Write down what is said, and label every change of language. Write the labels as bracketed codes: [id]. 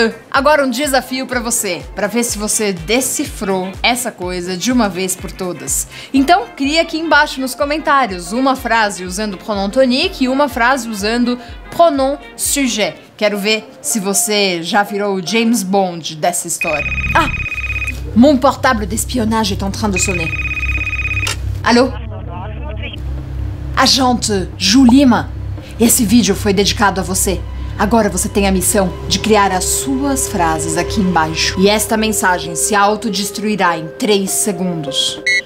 [pt] Agora um desafio pra você, pra ver se você decifrou essa coisa de uma vez por todas. Então, cria aqui embaixo nos comentários uma frase usando pronom tonique e uma frase usando pronom sujet. Quero ver se você já virou o James Bond dessa história. Ah! [fr] Mon portable d'espionnage est en train de sonner. [pt] Alô? Agente Julima, esse vídeo foi dedicado a você. Agora você tem a missão de criar as suas frases aqui embaixo. E esta mensagem se autodestruirá em 3 segundos.